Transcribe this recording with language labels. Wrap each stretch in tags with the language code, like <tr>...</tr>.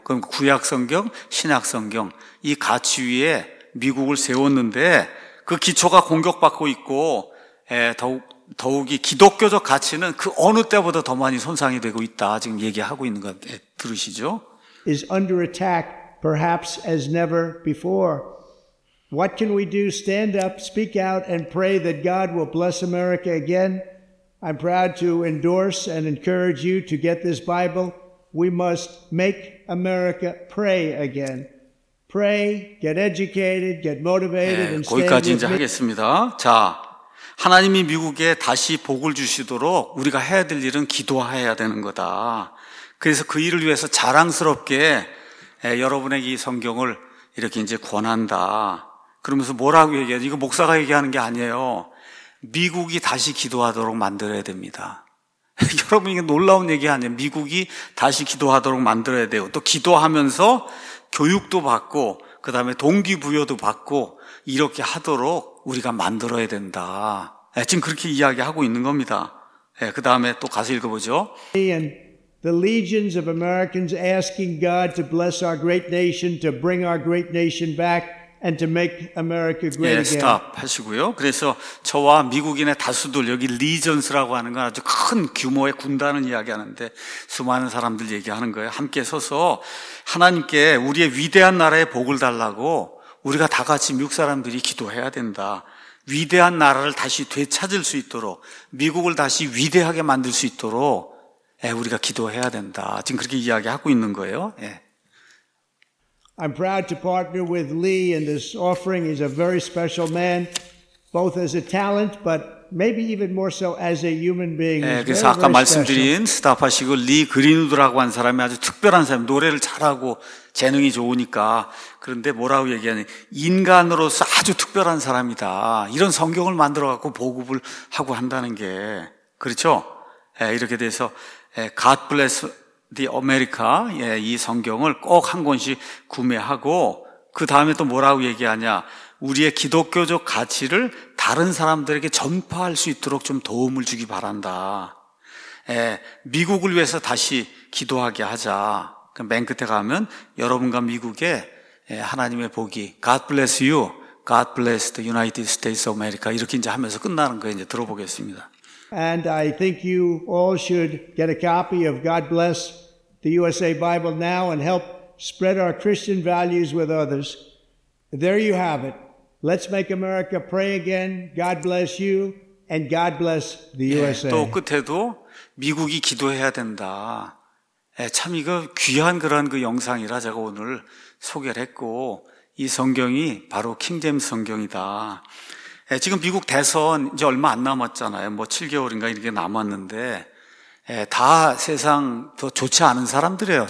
<ko>그럼 구약 성경, 신약 성경 이 가치 위에 미국을 세웠는데 그 기초가 공격받고 있고 더욱이 기독교적 가치는 그 어느 때보다 더 많이 손상이 되고 있다. 지금 얘기하고 있는 것 들으시죠?</ko> <en>Is under attack perhaps as never before. What can we do? Stand up, speak out, and pray that God will bless America again. I'm proud to endorse and encourage you to get this Bible. We must make America pray again. Pray, get educated, get motivated, and stand with me.</en> <ko>거기까지 이제 하겠습니다. 자, 하나님이 미국에 다시 복을 주시도록 우리가 해야 될 일은 기도해야 되는 거다. 그래서 그 일을 위해서 자랑스럽게 여러분에게 이 성경을 이렇게 이제 권한다. 그러면서 뭐라고 얘기하지? 이거 목사가 얘기하는 게 아니에요. 미국이 다시 기도하도록 만들어야 됩니다. 여러분 이게 놀라운 얘기 아니에요. 미국이 다시 기도하도록 만들어야 돼요. 또 기도하면서 교육도 받고 그다음에 동기부여도 받고 이렇게 하도록 우리가 만들어야 된다. 지금 그렇게 이야기하고 있는 겁니다. 그다음에 또 가서 읽어보죠.</ko> <en>The legions of Americans asking God to bless our great nation, to bring our great nation back. And to make America great again.</en> <ko>스탑 하시고요. 그래서 저와 미국인의 다수들 여기 리전스라고 하는 건 아주 큰 규모의 군단을 이야기하는데 수많은 사람들 얘기하는 거예요. 함께 서서 하나님께 우리의 위대한 나라의 복을 달라고 우리가 다 같이 미국 사람들이 기도해야 된다. 위대한 나라를 다시 되찾을 수 있도록 미국을 다시 위대하게 만들 수 있도록 우리가 기도해야 된다. 지금 그렇게 이야기하고 있는 거예요.</ko> <en>I'm proud to partner with Lee in this offering. He's a very special man, both as a talent, but maybe even more so as a human being.</en> <ko>예, 그래서 very, 아까 very 말씀드린 스타파시고 리 그린우드라고 한 사람이 아주 특별한 사람, 노래를 잘하고 재능이 좋으니까. 그런데 뭐라고 얘기하니, 인간으로서 아주 특별한 사람이다. 이런 성경을 만들어 갖고 보급을 하고 한다는 게 그렇죠? 예, 이렇게 돼서 예,</ko> <en>God bless the America.</en> <ko>예, 이 성경을 꼭 한 권씩 구매하고 그 다음에 또 뭐라고 얘기하냐? 우리의 기독교적 가치를 다른 사람들에게 전파할 수 있도록 좀 도움을 주기 바란다. 예, 미국을 위해서 다시 기도하게 하자. 그럼 맨 끝에 가면 여러분과 미국에 예, 하나님의 복이</ko> <en>God bless you, God bless the United States of America</en> <ko>이렇게 이제 하면서 끝나는 거 이제 들어보겠습니다.</ko> <en>And I think you all should get a copy of God Bless the USA Bible now and help spread our Christian values with others. There you have it. Let's make America pray again. God bless you and God bless the USA.</en> <ko>예, 또 끝에도 미국이 기도해야 된다. 예, 참 이거 귀한 그런 그 영상이라 제가 오늘 소개를 했고 이 성경이 바로 킹제임스 성경이다. 예, 지금 미국 대선 이제 얼마 안 남았잖아요. 뭐 7개월인가 이렇게 남았는데 예, 다 세상 더 좋지 않은 사람들이에요.</ko>